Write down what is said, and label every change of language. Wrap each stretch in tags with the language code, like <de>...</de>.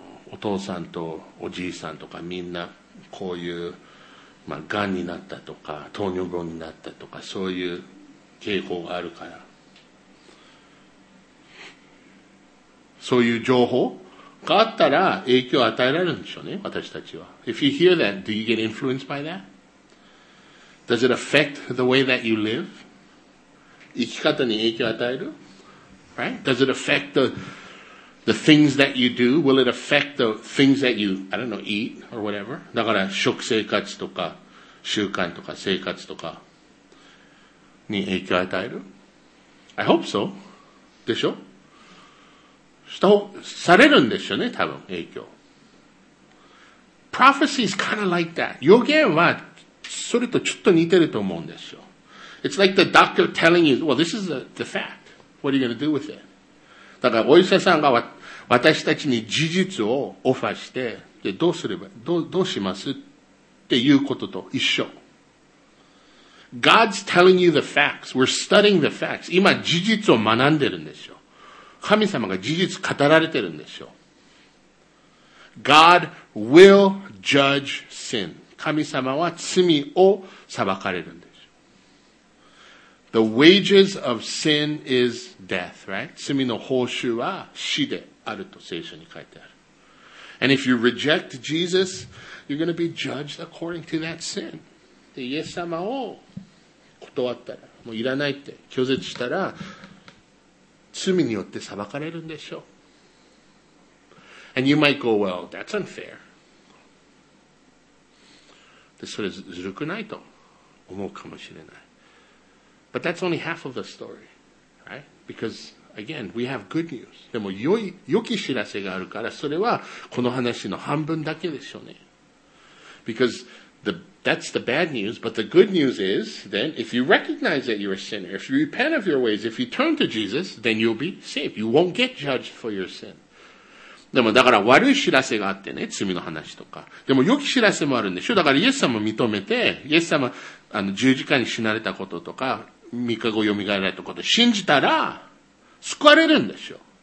<ja>お父さんとおじいさんとかみんなこういう、まあ、がんになったとか糖尿病になったとかそういう傾向があるから、そういう情報があったら影響を与えられるんでしょうね、私たちは。</ja> <en>If you hear that, do you get influenced by that? Does it affect the way that you live?</en> <ja>生き方に影響を与える、</ja> <en>right? Does it affect the things that you do? Will it affect the things that you, I don't know, eat or whatever?</en> <ja>だから食生活とか習慣とか生活とかに影響を与える、</ja> <en>I hope so.</en> <ja>でしょ、されるんでしょうね、多分、影響。</ja> <en>Prophecy is kind of like that.</en> <ja>予言は、それとちょっと似てると思うんですよ。</ja> <en>It's like the doctor telling you, well, this is the fact. What are you going to do with it?</en> <ja>だから、お医者さんが私たちに事実をオファーして、で、どうすれば、どうしますっていうことと一緒。</ja> <en>God's telling you the facts. We're studying the facts.</en> <ja>今、事実を学んでるんですよ。神様が事実語られてるんですよ。</ja> <en>God will judge sin.</en> <ja>神様は罪を裁かれるんですよ。</ja> <en>The wages of sin is death, right?</en> <ja>罪の報酬は死であると聖書に書いてある。</ja> <en>And if you reject Jesus, you're going to be judged according to that sin.</en> <ja>で、イエス様を断ったら、もういらないって拒絶したら、罪によって裁かれるんでしょう。</ja> <en>And you might go, well, that's unfair.</en> <ja>で、それずるくないと思うかもしれない。</ja> <en>But that's only half of the story, right? Because, again, we have good news.</en> <ja>でも良き知らせがあるから、それはこの話の半分だけでしょうね。</ja> <en>Because that's the bad news, but the good news is, then, if you recognize that you're a sinner, if you repent of your ways, if you turn to Jesus, then you'll be saved. You won't get judged for your sin.</en> <ja>でも、だから悪い知らせがあってね、罪の話とか。でも、良き知らせもあるんでしょ。だから、イエス様を認めて、イエス様、十字架に死なれたこととか、三日後蘇られたこと、信じたら、救われるんでしょ。</ja>